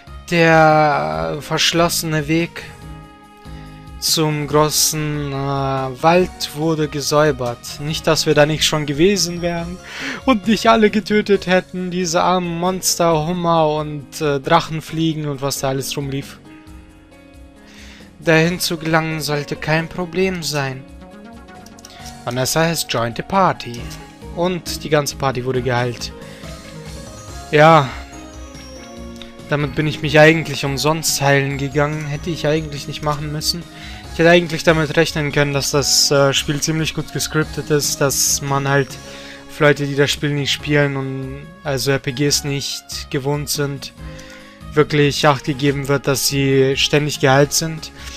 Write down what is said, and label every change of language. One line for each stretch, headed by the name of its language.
German: Der verschlossene Weg zum großen Wald wurde gesäubert. Nicht, dass wir da nicht schon gewesen wären und nicht alle getötet hätten. Diese armen Monster, Hummer und Drachenfliegen und was da alles rumlief. Dahin zu gelangen sollte kein Problem sein.
English: Vanessa has joined the party.
German: Und die ganze Party wurde geheilt. Ja. Damit bin ich mich eigentlich umsonst heilen gegangen. Hätte ich eigentlich nicht machen müssen. Ich hätte eigentlich damit rechnen können, dass das Spiel ziemlich gut gescriptet ist. Dass man halt für Leute, die das Spiel nicht spielen und also RPGs nicht gewohnt sind, wirklich Acht gegeben wird, dass sie ständig geheilt sind.